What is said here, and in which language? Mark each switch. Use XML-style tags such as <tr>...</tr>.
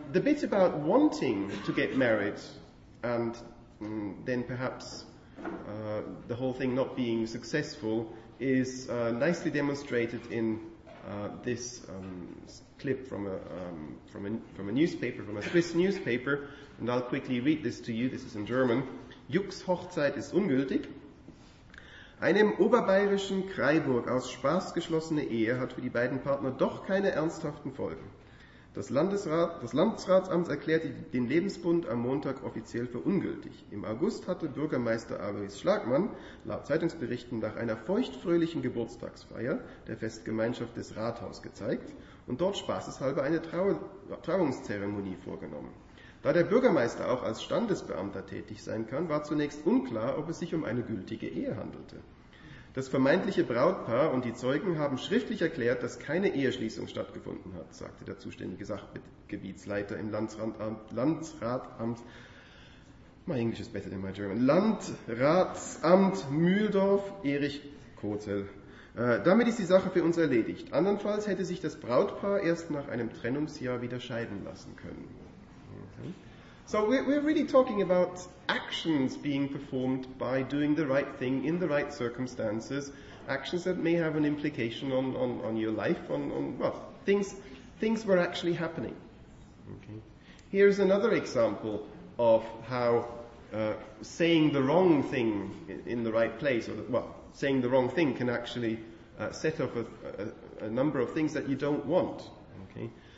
<en>The bit about wanting to get married and then perhaps the whole thing not being successful is nicely demonstrated in this clip from a newspaper, from a Swiss newspaper, and I'll quickly read this to you. This is in German.</en> <de>Jux Hochzeit ist ungültig. Eine im oberbayerischen Kreiburg aus Spaß geschlossene Ehe hat für die beiden Partner doch keine ernsthaften Folgen. Das Landratsamt erklärte den Lebensbund am Montag offiziell für ungültig. Im August hatte Bürgermeister Aris Schlagmann, laut Zeitungsberichten, nach einer feuchtfröhlichen Geburtstagsfeier der Festgemeinschaft des Rathaus gezeigt und dort spaßeshalber eine Trauungszeremonie vorgenommen. Da der Bürgermeister auch als Standesbeamter tätig sein kann, war zunächst unklar, ob es sich um eine gültige Ehe handelte. Das vermeintliche Brautpaar und die Zeugen haben schriftlich erklärt, dass keine Eheschließung stattgefunden hat, sagte der zuständige Sachgebietsleiter im Landratsamt.</de> <en>My English is better than my German. Landratsamt Mühldorf, Erich Kotel.</en> <de>Damit ist die Sache für uns erledigt. Andernfalls hätte sich das Brautpaar erst nach einem Trennungsjahr wieder scheiden lassen können.</de> <en>So we're really talking about actions being performed by doing the right thing in the right circumstances, actions that may have an implication on your life, on well, things were actually happening. Okay. Here's another example of how saying the wrong thing in the right place, saying the wrong thing can actually set off a number of things that you don't want. Okay.</en>